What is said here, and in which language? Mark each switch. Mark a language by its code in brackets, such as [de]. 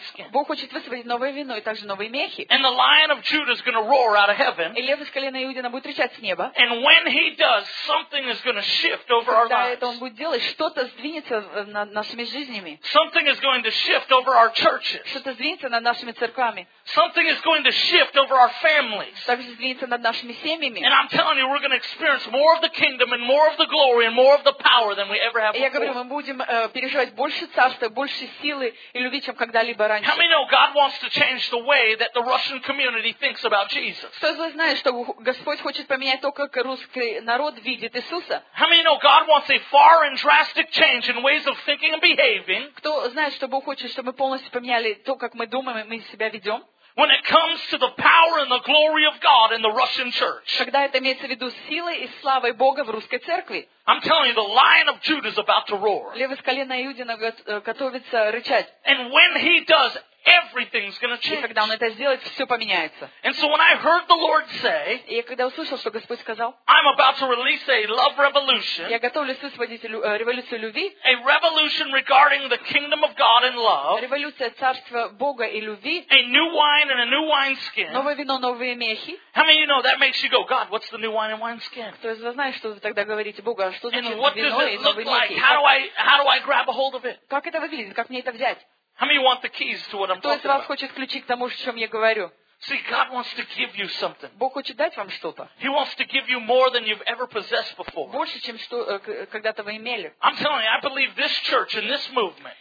[ru] Бог хочет высвободить новое вино и также новые мехи. И лев из колена Иудина будет рычать с неба. И когда это он будет делать, что-то сдвинется над нашими жизнями. Что-то сдвинется над нашими церквами. [en] Something is going to shift over our families. [ru] Также сдвинется над нашими семьями. [en] And I'm telling you, we're going to experience more of the kingdom and more of the glory and more of the power than we ever have before. [ru] Я говорю, мы будем переживать больше царства, больше силы и любви, чем когда-либо раньше. [en] How many know God wants to change the way that the Russian community thinks about Jesus? [ru] Кто из вас знает, что Господь хочет поменять то, как русский народ видит Иисуса? [en] How many know God wants a far and drastic change in ways of thinking and behaving? [ru] Кто знает, что Бог хочет, чтобы мы полностью поменяли то, как мы думаем и мы себя ведем? [en] When it comes to the power and the glory of God in the Russian church. [ru] Когда это имеется в виду силы и славы Бога в русской церкви. [en] I'm telling you, the Lion of Judah is about to roar. [ru] Лев из колена Иудина готовится рычать. [en] And when he does, everything's going to change. [ru] И когда он это сделает, все поменяется. [en] And so when I heard the Lord say, [ru] я когда услышал, что Господь сказал, [en] I'm about to release a love revolution. [ru] Я готовлюсь высвободить революцию любви. [en] A revolution regarding the kingdom of God and love. [ru] Революция царства Бога и любви. [en] A new wine and a new wine skin. [ru] Новое вино, новые мехи. [en] How many of you know that makes you go, God, what's the new wine and wine skin? [ru] Кто из вас знает, что вы тогда говорите, Бога, что значит вино и новые мехи? [en] How do I grab a hold of it? [ru] Как это выглядит? Как мне это взять? [en] How many want the keys to what I'm talking about? [ru] Кто из вас хочет ключи к тому, о чем я говорю? [en] See, God wants to give you something. [ru] Бог хочет дать вам что-то. [en] He wants to give you more than you've ever possessed before. [ru] Больше, чем что когда-то вы имели. [en] I'm telling you, I believe this church and this movement.